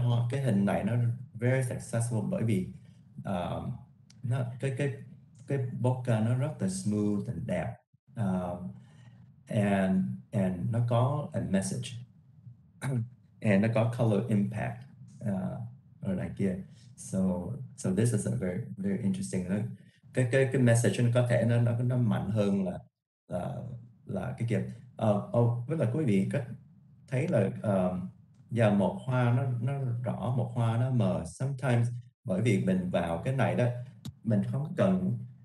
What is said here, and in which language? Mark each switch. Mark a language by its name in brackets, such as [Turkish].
[Vietnamese] Cái hình này nó [English] very successful, [Vietnamese] bởi vì nó cái bokeh nó rất là smooth và đẹp. And nó có [English] a message and [Vietnamese] nó có [English] color impact [Vietnamese] ở này kia. [English] So this is a very very interesting, right? [Vietnamese] Cái message nó có thể nó mạnh hơn là cái kia. Với lại quý vị có thấy là giờ một hoa nó rõ, một hoa nó mờ, sometimes bởi vì mình vào cái này đó mình không cần